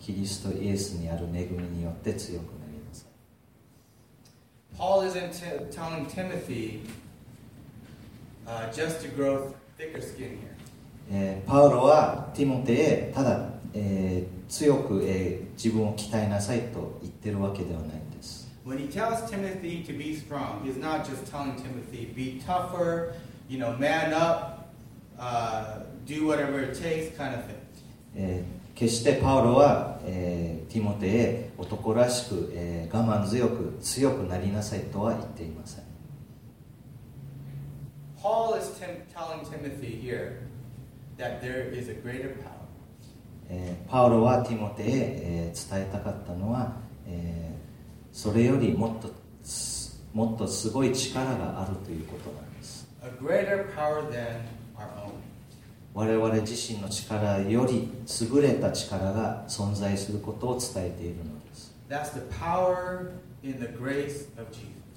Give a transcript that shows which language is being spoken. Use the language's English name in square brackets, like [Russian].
[Japanese] キリストイエスにある恵みによって強くなりなさい。 [English] Paul isn't telling TimothyJust to grow thicker skin here. [Japanese] パウロはティモテへただ、強く、自分を鍛えなさいと言ってるわけではないんです。 [English] When he tells Timothy to be strong, he's not just telling Timothy, be tougher, you know, man up, do whatever it takes kind of thing. [Japanese] 決してパウロは、ティモテへ男らしく、我慢強く強くなりなさいとは言っていません。 [English] Paul is telling Timothy here that there is a greater power. [Japanese] パウロはティモテへ、伝えたかったのは、それよりもっともっとすごい力があるということなんです。 [English] A greater power than our own. [Japanese] 我々自身の力より優れた力が存在することを伝えているのです。 [English] That's the power in the grace of Jesus.